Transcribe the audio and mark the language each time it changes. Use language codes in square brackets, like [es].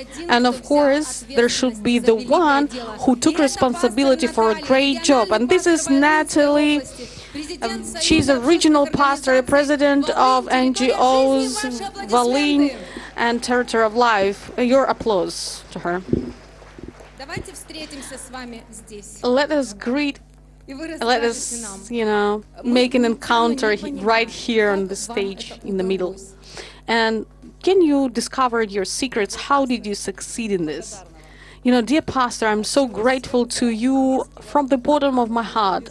[en] And of course, there should be the one who took responsibility for a great job. And this is Natalie. She's a regional pastor, a president of NGOs, Valin, and Territory of Life. Your applause to her. [ru] Давайте встретимся с вами здесь. [en] Let us greet. Let us, you know, make an encounter right here on the stage in the middle. And can you discover your secrets? How did you succeed in this? You know, dear pastor, I'm so grateful to you from the bottom of my heart.